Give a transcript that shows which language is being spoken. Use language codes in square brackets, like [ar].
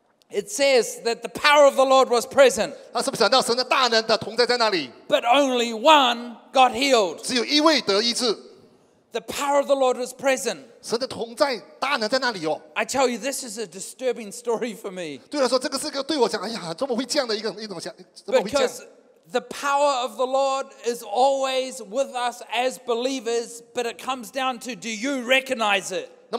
[en] It says that the power of the Lord was present. But only one got healed. The power of the Lord was present. [zh] 神的同在, [en] I tell you, this is a disturbing story for me. [zh] 对我说,这个是个对我讲, 哎呀, 这么会这样的一个,一种想, [en] because the power of the Lord is always with us as believers, but it comes down to, do you recognize it?